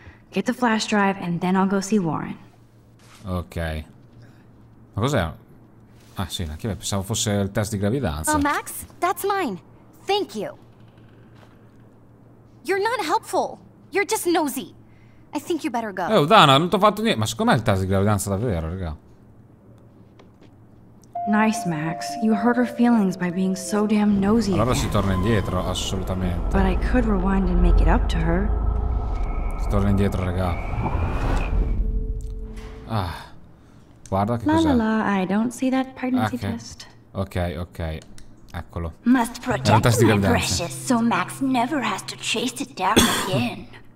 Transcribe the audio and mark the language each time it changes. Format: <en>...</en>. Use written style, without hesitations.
<en>Get the flash drive and then I'll go see Warren.</en> <it>Ok. Ma cos'è? Ah, sì, la chiave. Pensavo fosse il test di gravidanza.</it> <en>Oh, Max, that's mine. Thank you. You're not helpful. You're just nosy. I think you better go.</en> <it>Dana, non t'ho fatto niente. Ma secondo me è il test di gravidanza davvero, raga.</it> <en>Nice, Max. You hurt her feelings by being so damn nosy.</en> <it>Allora si torna indietro, assolutamente.</it> <en>But I could rewind and make it up to her.</en> <it>Si torna indietro, raga. Ah. Guarda che la, cos'è.</it> <en>La la la, I don't see that pregnancy test.</en> <it>Ok, ok. Eccolo.</it> <en>Must protect my precious, so Max never has to chase it down again.</en>